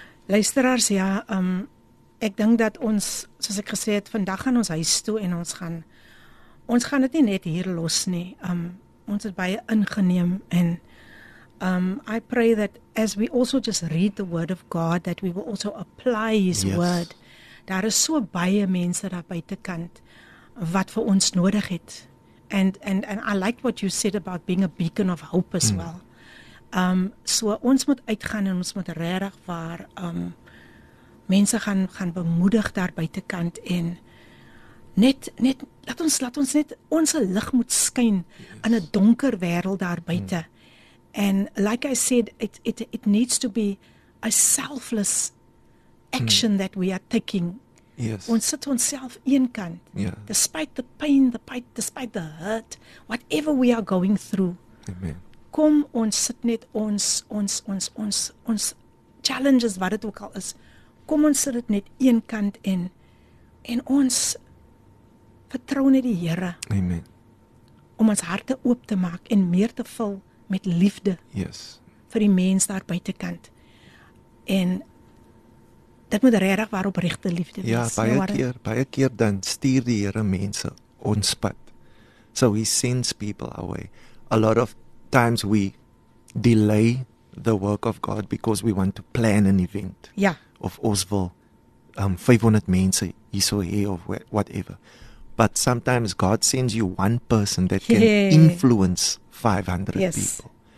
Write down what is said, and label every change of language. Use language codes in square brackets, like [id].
[af] Luisteraars, ja, ek dink dat ons, soos ek gesê het, vandag gaan ons huis toe en ons gaan dit nie net hier los nie. Ons het baie ingeneem en [en] I pray that as we also just read the word of God that we will also apply his word. [af] Daar is so baie mense daar buitekant wat vir ons nodig het. [en] And I liked what you said about being a beacon of hope as well. [af] So ons moet uitgaan en ons moet regtig waar mense gaan bemoedig daar buitekant en net laat ons net ons lig moet skyn in 'n donker wêreld daar buite. [en] En like I said, it needs to be a selfless action that we are taking. Yes. [af] Ons sit onsself eenkant. [en] Yeah. Despite the pain, despite the hurt, whatever we are going through. Amen. [af] Kom ons sit net ons challenges wat dit ook al is. Kom ons sit dit net eenkant en ons vertrou net die Here. Amen. Om ons harte oop te maak en meer te vul met liefde. Yes. Vir die mens daar buitekant. En dit moet regtig waar opregte liefde wees. Ja, baie keer dan stuur die Here mense ons pad. [en] So he sends people our way. A lot of times we delay the work of God because we want to plan an event. [af] Ja. Of ons wil 500 mense hierso hê of whatever. [en] But sometimes God sends you one person that can influence 500 people.